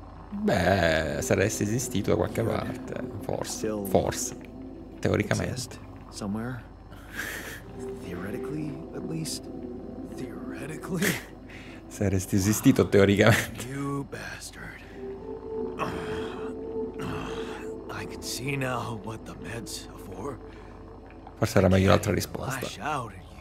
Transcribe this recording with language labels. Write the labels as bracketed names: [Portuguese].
[Italian] Beh, saresti esistito da qualche parte, forse. Forse. Teoricamente. [English] Somewhere. Theoretically, at least. Theoretically. [Italian] Saresti esistito teoricamente. [English] You bastard. I can see now what the meds are for. [Italian] Forse era meglio l'altra risposta.